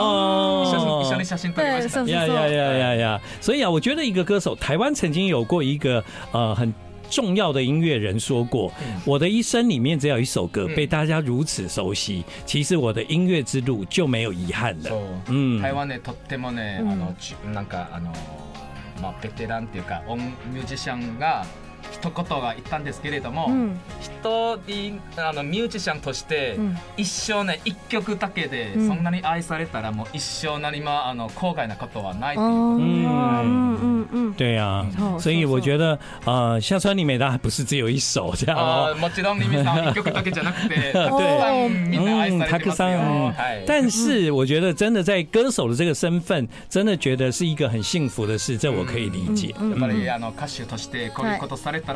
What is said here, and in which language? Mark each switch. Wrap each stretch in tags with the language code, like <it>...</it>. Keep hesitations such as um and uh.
<zh>哦，小心，小心，小心，对，呀呀呀呀呀。所以啊，我觉得一个歌手，台湾曾经有过一个呃很。重要的音乐人说过、嗯，我的一生里面只要一首歌被大家如此熟悉，嗯、其实我的音乐之路就没有遗憾的、嗯。</zh> <ja>台湾とってもね、あのなんかあのまあベテランっていうかミュージシャンが。一言が言ったんですけれども、うん、あのミュージシャンとして一生ね一曲だけでそんなに愛されたらもう一生何もあの後悔なことはないっていう。うんうんうんうん。</ja> <zh>对呀、啊，所以我觉得啊，乡村里面当然不是只有一首这样、哦。</zh> <ja>もちろん里面さん一曲だけじゃなくて、</ja> <zh>对，</zh> <ja>嗯，たくさん。</ja> <zh>嗯、但是我觉得真的在歌手的这个身份，真的觉得是一个很幸福的事，这我可以理解。</zh> <ja>嗯嗯、やっぱりあの歌手としてこういうことされた。</ja>